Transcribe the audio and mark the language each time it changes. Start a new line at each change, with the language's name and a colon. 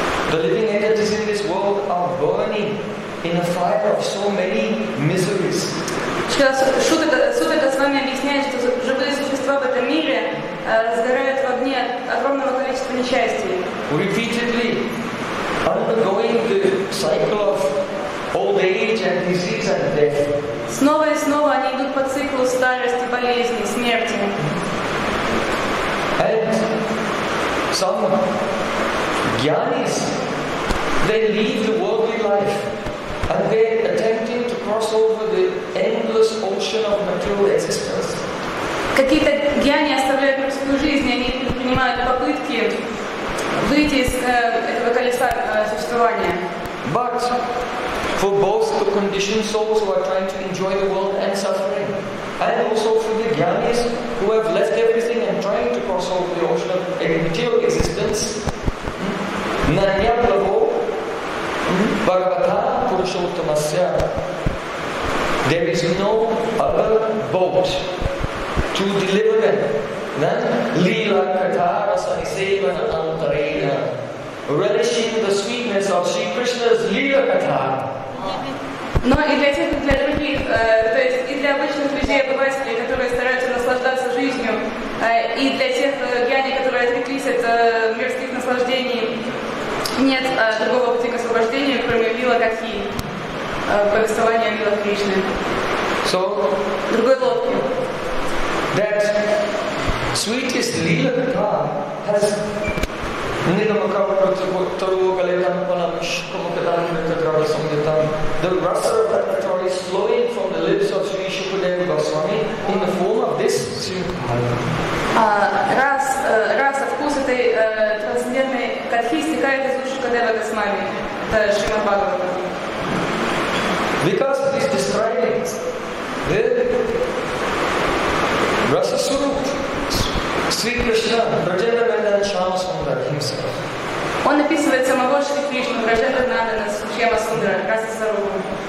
English: The living that is in this world are burning in a fire of so many miseries.
Romanian: Și că sufletele sfânte mișnea, și că
Russian: живые существа в этом мире сгорают в огне огромного количества несчастий.
English: Repeatedly undergoing the cycle of old age and disease and death.
Russian: Снова и снова они идут по циклу старости, болезни, смерти.
English: And some gyanis, they leave the worldly life and they are attempting to cross over the endless ocean of material existence.
Russian: Какие-то гьяни оставляют мирскую жизнь, они принимают попытки выйти из этого колеса существования.
English: But for both the conditioned souls who are trying to enjoy the world and suffering, and also for the gyanis who have left everything and trying to cross over the ocean of material existence, Nanya Prabhu
Sanskrit: Bhagavata Purushottamasya,
English: there is no other boat to deliver them than
Sanskrit: Lila Katara Sanisevana Antarena,
English: relishing the sweetness of Sri Krishna's Lila Katara.
Russian: Но и для тех, и для других, то есть и для обычных людей, обывателей, которые стараются наслаждаться жизнью, и для тех гьяни, которые отреклись от мирских наслаждений, нет другого пути к освобождению, кроме Лила Катхи, повествования Лила Кришны.
English: So,
Russian: другой лодки.
English: That sweetest Lila Katha has
Sanskrit: Nidamakavara Taruvokalitam Palamish Kumukatanita Dravasamyatam.
English: The rasa of that Katha is flowing from the lips of Sri Shukadeva Goswami in the form of this Srimad.
Russian: Раса, вкус этой трансцендентной Катхи стекает из Шукадева Госвами, это Шримад Бхагаватам.
English: Because it is describing the Rasa Surup, Sri Krishna, Rajendra Nandana Shyama Sundara himself.
Russian: Он описывает самого Шри Кришну, Рожендра Нандана Шьяма Сундара, Раса Сарупа.